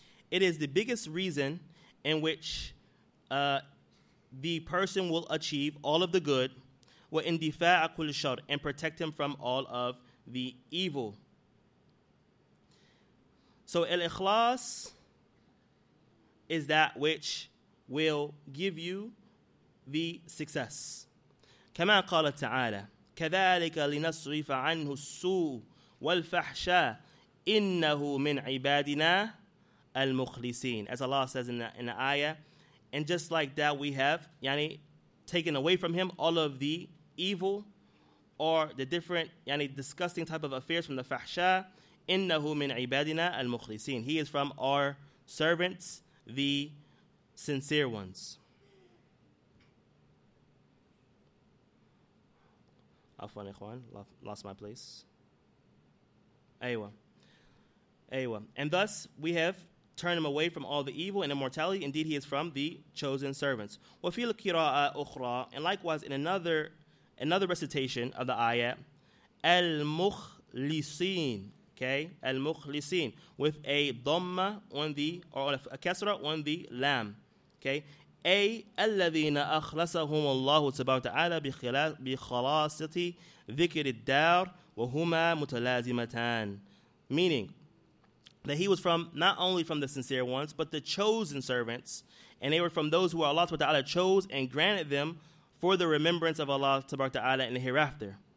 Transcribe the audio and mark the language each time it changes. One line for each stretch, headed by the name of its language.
English: It is the biggest reason in which the person will achieve all of the good,
Arabic: wa indifa'a kulli shar,
English: and protect him from all of the evil. So al-ikhlas is that which will give you the success.
Arabic: كما قال تعالى كذلك لنصرف عنه السوء والفحشاء إنه من عبادنا المخلصين.
English: As Allah says in the ayah, and just like that we have taken away from him all of the evil or the different disgusting type of affairs from the فحشاء.
Arabic: إِنَّهُ مِنْ عِبَادِنَا الْمُخْلِصِينَ.
English: He is from our servants, the sincere ones.
Arabic: Afwan, ikhwan,
English: lost my place. Aywa. And thus, we have turned him away from all the evil and immortality. Indeed, he is from the chosen servants.
Arabic: وَفِي الْقِرَاءَ أُخْرَى.
English: And likewise, in another recitation of the ayat, الْمُخْلِصِينَ. Okay, al-mukhlisin, with a dhamma on the, or a kasra on the lam. Okay.
Arabic: أي الذين أخلصهم الله سبحانه وتعالى بخلاصة ذكر الدار وهما متلازمتان.
English: Meaning that he was from not only from the sincere ones, but the chosen servants. And they were from those who Allah subhanahu wa ta'ala chose and granted them for the remembrance of Allah subhanahu wa ta'ala in the hereafter.